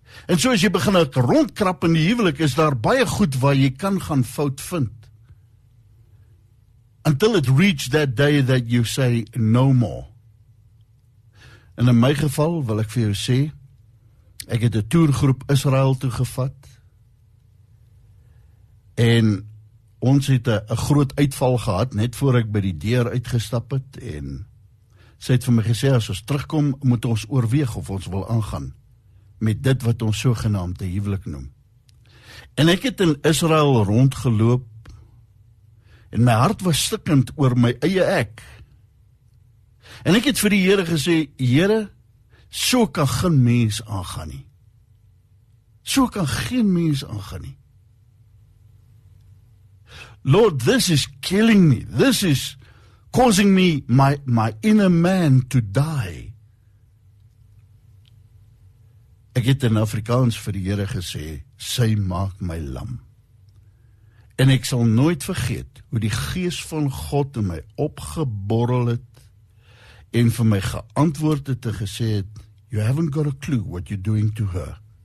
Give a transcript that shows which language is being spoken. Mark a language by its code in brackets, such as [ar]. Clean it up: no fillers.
[af] En so as jy begin het rondkrap in die huwelik, is daar baie goed waar jy kan gaan fout vind. [en] Until it reached that day that you say no more. [af] En in my geval wil ek vir jou sê, ek het 'n toergroep Israel toe gevat. En ons het 'n groot uitval gehad, net voor ek by die deur uitgestap het. En sy het vir my gesê, as ons terugkom, moet ons oorweeg of ons wil aangaan met dit wat ons sogenaamd een huwelik noem. En ek het in Israel rondgeloop, en my hart was stikkend oor my eie ek. En ek het vir die Here gesê, Here, so kan geen mens aangaan nie. So kan geen mens aangaan nie. [en] Lord, this is killing me. This is causing me, my inner man, to die. [af] Ek het in Afrikaans vir die Here gesê, sy maak my lam. En ek sal nooit vergeet hoe die Gees van God in my opgeborrel het en vir my geantwoord het en gesê het, [en] you haven't got a clue what you're doing to her.